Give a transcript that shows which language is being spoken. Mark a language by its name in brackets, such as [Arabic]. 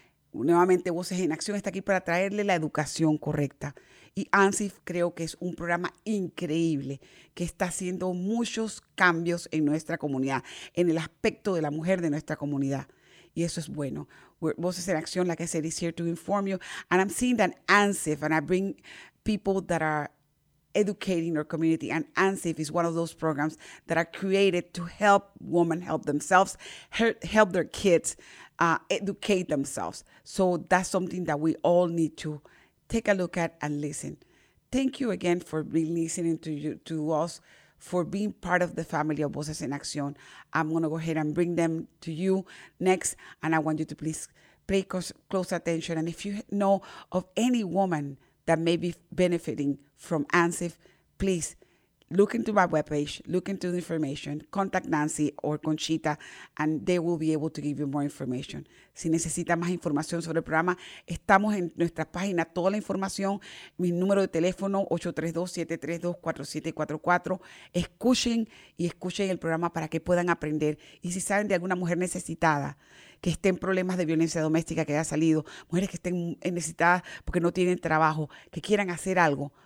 [Spanish] Nuevamente, Voces en Acción está aquí para traerle la educación correcta. Y ANSFI creo que es un programa increíble que está haciendo muchos cambios en nuestra comunidad, en el aspecto de la mujer de nuestra comunidad. Y eso es bueno. [English] Voces en Acción, like I said, is here to inform you. And I'm seeing that ANSFI, and I bring people that are educating our community. And ANSFI is one of those programs that are created to help women help themselves, help their kids, educate themselves. So that's something that we all need to take a look at and listen. Thank you again for listening to us, for being part of the family of Voces en Acción. I'm going to go ahead and bring them to you next, and I want you to please pay close attention. And if you know of any woman that may be benefiting from ANSFI, please look into my webpage, look into the information, contact Nancy or Conchita, and they will be able to give you more information. [Spanish] Si necesita más información sobre el programa, estamos en nuestra página, toda la información, mi número de teléfono, 832-732-4744. Escuchen el programa para que puedan aprender. Y si saben de alguna mujer necesitada, que estén problemas de violencia doméstica que haya salido, mujeres que estén necesitadas porque no tienen trabajo, que quieran hacer algo,